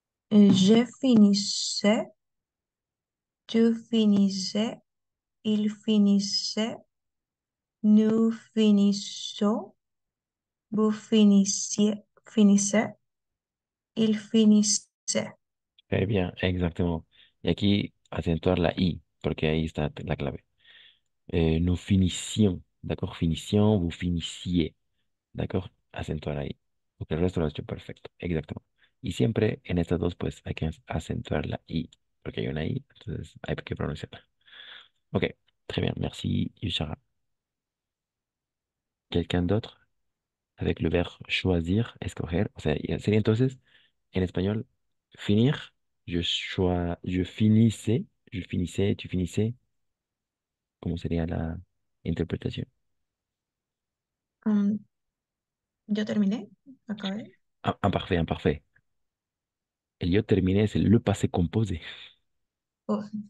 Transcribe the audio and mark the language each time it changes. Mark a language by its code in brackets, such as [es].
[fr] Je finissais, tu finissais, il finissait, nous finissons, vous finissiez, finissez, il finissait. Très bien, exactement. Et ici, accentuer la I, parce qu' [es] ahí está la clave. [fr] Nous finissions, d'accord? Finissions, vous finissiez, d'accord? Accentuer la I. [es] Porque el resto lo has hecho perfecto, exactement. Y siempre en estas dos, pues, hay que acentuar la I, porque hay una I, entonces hay que pronunciarla. [fr] Ok, très bien, merci, Yushara. ¿Quelqu'un d'autre? Avec le verbe choisir, [es] escoger, o sea, sería entonces, en español, finir. [fr] Je finissais, tu finissais. [es] ¿Cómo sería la interpretación? Yo terminé, acabé. Imparfait, imparfait. El yo terminé es el le passé composé. Oh.